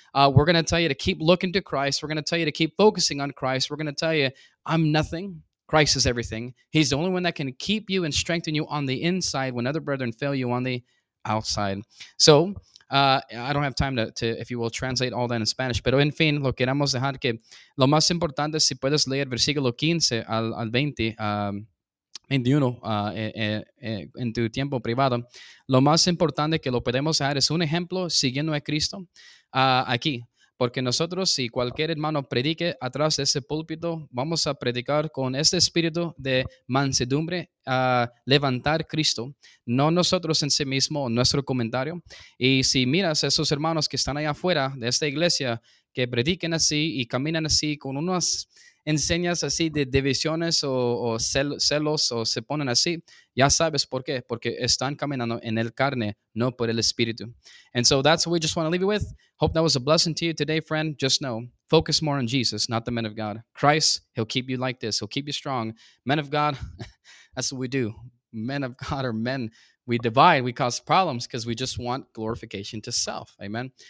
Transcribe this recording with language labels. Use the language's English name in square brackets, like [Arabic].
[English] We're going to tell you to keep looking to Christ. We're going to tell you to keep focusing on Christ. We're going to tell you, I'm nothing. Christ is everything. He's the only one that can keep you and strengthen you on the inside when other brethren fail you on the outside. So I don't have time to, if you will, translate all that in Spanish. [Spanish] Pero en fin, lo queremos dejar que lo más importante, si puedes leer versículo 15 al 20, 21, en tu tiempo privado, lo más importante que lo podemos dejar es un ejemplo siguiendo a Cristo aquí. Porque nosotros, si cualquier hermano predique atrás de ese púlpito, vamos a predicar con este espíritu de mansedumbre, a levantar Cristo, no nosotros en sí mismo, nuestro comentario. Y si miras a esos hermanos que están allá afuera de esta iglesia, que prediquen así y caminan así con unas enseñas así de divisiones o celos o se ponen así, ya sabes por qué, porque están caminando en el carne, no por el espíritu. [English] And so that's what we just want to leave you with. Hope that was a blessing to you today, friend. Just know, focus more on Jesus, not the men of God. Christ, he'll keep you like this. He'll keep you strong. Men of God, that's what we do. Men of God are men. We divide, we cause problems because we just want glorification to self. Amen.